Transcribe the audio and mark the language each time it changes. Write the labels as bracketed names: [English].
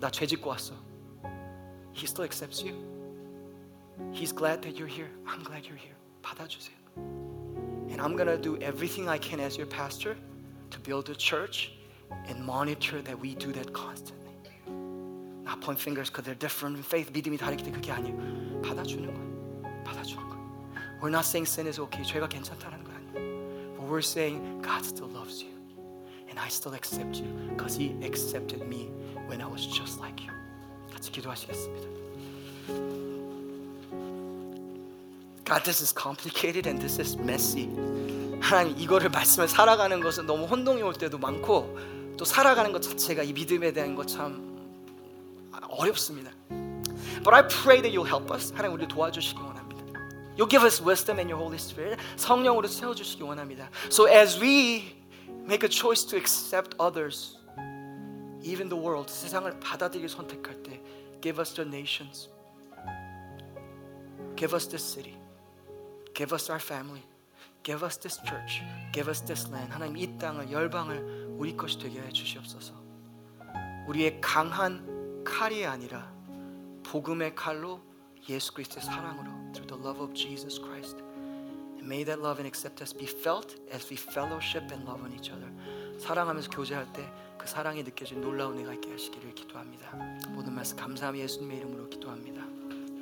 [Korean] 나 죄 짓고 왔어. [English] He still accepts you. He's glad that you're here. I'm glad you're here. [Korean] 받아주세요. [English] And I'm going to do everything I can as your pastor to build a church and monitor that we do that constantly. I point fingers because they're different in faith. [Korean] 믿음이 다르기 때문에 그게 아니에요. 받아주는 거예요. 받아주는 거예요. [English] We're not saying sin is okay. [Korean] 죄가 괜찮다는 거 아니에요. [English] But we're saying God still loves you. And I still accept you because He accepted me when I was just like you. [Korean] 같이 기도하시겠습니다. [English] God, this is complicated and this is messy. [Korean] 하나님, 이거를 말씀을 살아가는 것은 너무 혼동이 올 때도 많고 또 살아가는 것 자체가 이 믿음에 대한 것 참 어렵습니다. [English] But I pray that you'll help us. [Korean] 하나님 우리 도와주시기 원합니다. [English] You'll give us wisdom and your Holy Spirit. [Korean] 성령으로 세워주시기 원합니다. [English] So as we make a choice to accept others, even the world, [Korean] 세상을 받아들이기 선택할 때, [English] give us the nations. Give us this city. Give us our family. Give us this church. Give us this land. [Korean] 하나님 이 땅을 열방을 우리 것이 되게 해 주시옵소서. 우리의 강한 칼이 아니라 복음의 칼로 예수 그리스도의 사랑으로 [English] through the love of Jesus Christ and may that love and acceptance be felt as we fellowship and love on each other. [Korean] 사랑하면서 교제할 때 그 사랑이 느껴진 놀라운 은혜가 있게 하시기를 기도합니다. 모든 말씀 감사함 예수님의 이름으로 기도합니다.